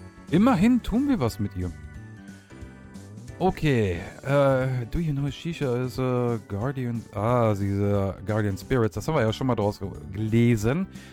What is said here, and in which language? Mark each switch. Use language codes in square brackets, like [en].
[de] Immerhin tun wir was mit ihr. Okay. [en] Do you know Shisha is a guardian? [de] Ah, sie ist [en] a guardian spirits. [de] Das haben wir ja schon mal draus gelesen.